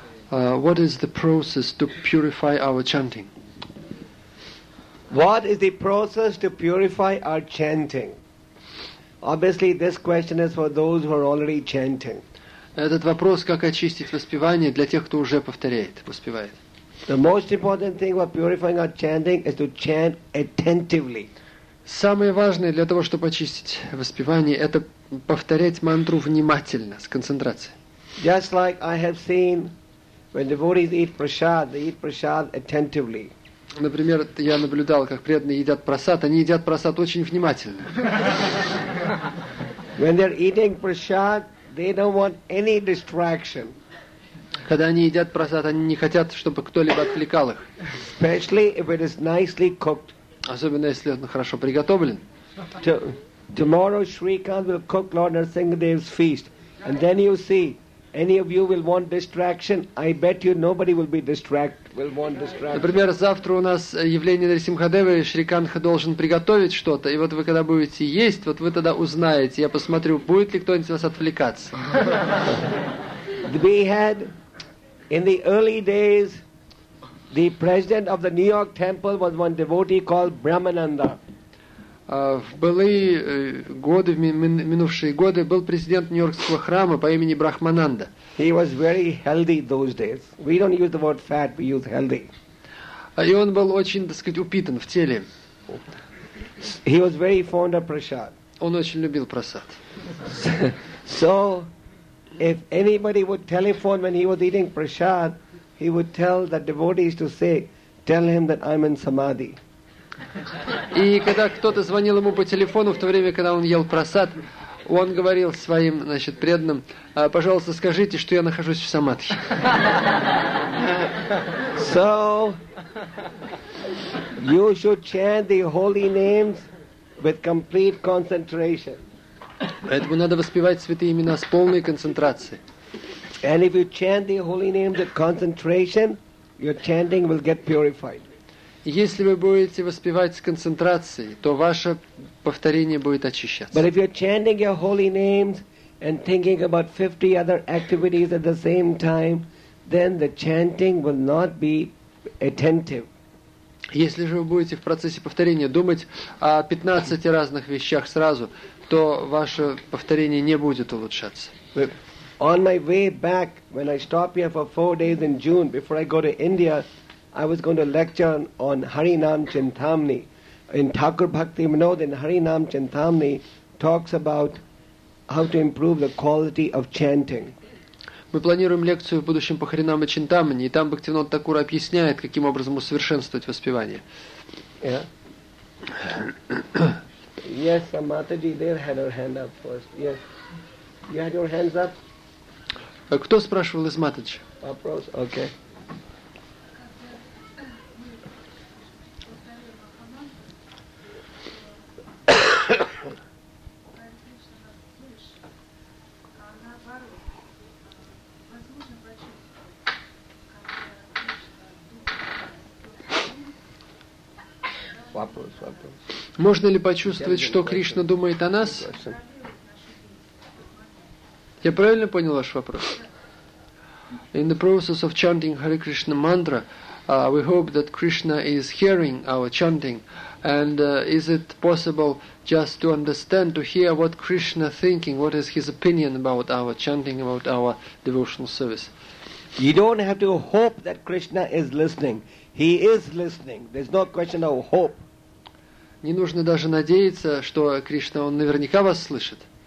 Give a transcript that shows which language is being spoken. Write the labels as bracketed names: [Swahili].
[English] What is the process to purify our chanting? What is the process to purify our chanting? Obviously, this question is for those who are already chanting. [Russian] Этот вопрос, как очистить воспевание, для тех, кто уже повторяет, воспевает. [English] The most important thing about purifying our chanting is to chant attentively. [Russian] Самое важное для того, чтобы очистить воспевание, это повторять мантру внимательно, с концентрацией. [English] Just like I have seen, when devotees eat prasad, they eat prasad attentively. [Russian] Например, я наблюдал, как преданные едят прасад. Они едят прасад очень внимательно. [English] When they're eating prasad, they don't want any distraction. [Russian] Когда они едят прасад, они не хотят, чтобы кто-либо отвлекал их. [English] Especially if it is nicely cooked. [Russian] Особенно если он хорошо приготовлен. [English] Tomorrow Shrikant will cook Lord Narasinghadev's feast, and then you see. Any of you will want distraction? I bet you nobody will be distract. Will want distraction. [Russian] Например, завтра у нас явление Нарисимхадевы, Шриканха должен приготовить что-то, и вот вы когда будете есть, вот вы тогда узнаете. Я посмотрю, будет ли кто-нибудь вас отвлекаться. [English] We had in the early days the president of the New York Temple was one devotee called Brahmananda. [Russian] В былые годы, в минувшие годы, был президент Нью-Йоркского храма по имени Брахмананда. [English] He was very healthy those days. We don't use the word fat, we use healthy. [Russian] И он был очень, так сказать, упитан в теле. [English] He was very fond of prasad. [Russian] Он очень любил прасад. [English] So, if anybody would telephone when he was eating prasad, he would tell the devotees to say, tell him that I'm in samadhi. [Russian] И когда кто-то звонил ему по телефону в то время, когда он ел прасад, он говорил своим, значит, преданным: «Пожалуйста, скажите, что я нахожусь в самадхи». [English] So you should chant the holy names with complete concentration. [Russian] Поэтому надо воспевать святые имена с полной концентрацией. [English] And if you chant the holy names with concentration, your chanting will get purified. [Russian] Если вы будете воспевать с концентрацией, то ваше повторение будет очищаться. [English] But if you're chanting your holy names and thinking about 50 other activities at the same time, then the chanting will not be attentive. [Russian] Если же вы будете в процессе повторения думать о 15 разных вещах сразу, то ваше повторение не будет улучшаться. [English] On my way back, when I stop here for 4 days in June before I go to India, I was going to lecture on Harinam Chintamani. In Thakur Bhakti Vinod, in Harinam Chintamani talks about how to improve the quality of chanting. [Russian] Мы планируем лекцию в будущем по Харинам и Чинтамани, и там Бхактивинод Такур объясняет, каким образом усовершенствовать воспевание. [English] Yes, Mataji, there had her hand up first. Yes. You had your hands up? [Russian] Кто спрашивал из Матаджи? Вопрос? Okay. Можно ли почувствовать, что Кришна думает о нас? Я правильно понял ваш вопрос? [English] In the process of chanting Hare Krishna mantra, we hope that Krishna is hearing our chanting. And is it possible just to understand, to hear what Krishna thinking, what is his opinion about our chanting, about our devotional service? You don't have to hope that Krishna is listening. He is listening. There's no question of hope. [Russian] Не нужно даже надеяться, что Кришна, он наверняка вас слышит.